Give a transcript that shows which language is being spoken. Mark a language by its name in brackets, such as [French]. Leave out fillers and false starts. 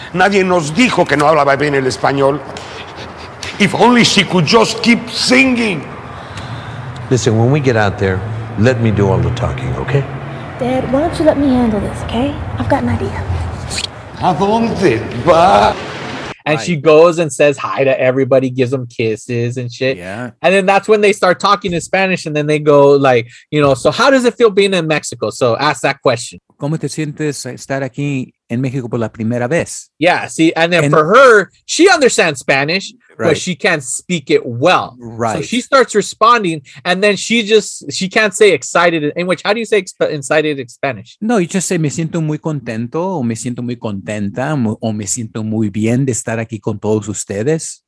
[Spanish] Nadie nos dijo que no hablaba bien el español. [English] If only she could just keep singing. Listen, when we get out there, let me do all the talking, okay? Dad, why don't you let me handle this, okay? I've got an idea. [Spanish] ¿A dónde va? [English] And she goes and says hi to everybody, gives them kisses and shit. Yeah. And then that's when they start talking in Spanish. And then they go like, you know, so how does it feel being in Mexico? So ask that question. [Spanish] ¿Cómo te sientes estar aquí en México por la primera vez? [English] Yeah. See, and then for her, she understands Spanish, but she can't speak it well. Right. So she starts responding and then she can't say excited. In which, how do you say excited in Spanish? No, you just say [Spanish] me siento muy contento o me siento muy contenta o me siento muy bien de estar aquí con todos ustedes.